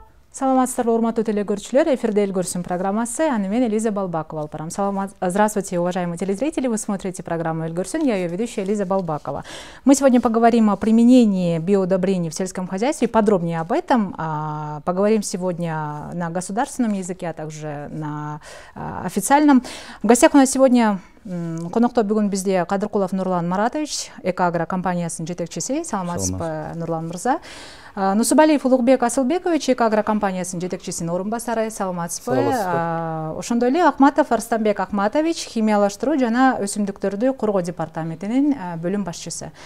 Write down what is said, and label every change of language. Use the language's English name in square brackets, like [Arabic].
[Kyrgyz] Саламатсыздар, урматтуу телекөрүүчүлөр, эфирде эл көрсүн программасы, аны мен Элиза Балбакова алып барам. [Russian] Здравствуйте, уважаемые телезрители, вы смотрите программу «Эл көрсүн», я ее ведущая Элиза Балбакова. Мы сегодня поговорим о применении биоудобрений в сельском хозяйстве, подробнее об этом. Поговорим сегодня на государственном языке, а также на официальном. В гостях у нас сегодня... [Kyrgyz] Конокто бүгүн бизде Кадыркулов Нурлан Маратович, Экоагро компаниясынын жетекчиси. Саламатсызбы, Нурлан мырза. Нусубалиев Улукбек Асылбекович, Экоагро компаниясынын жетекчисинин орун басары. Саламатсызбы. Ошондой эле Акматов Арстанбек Акматович, химиялаштыруу жана өсүмдүктөрдү коргоо департаментинин бөлүм башчысы.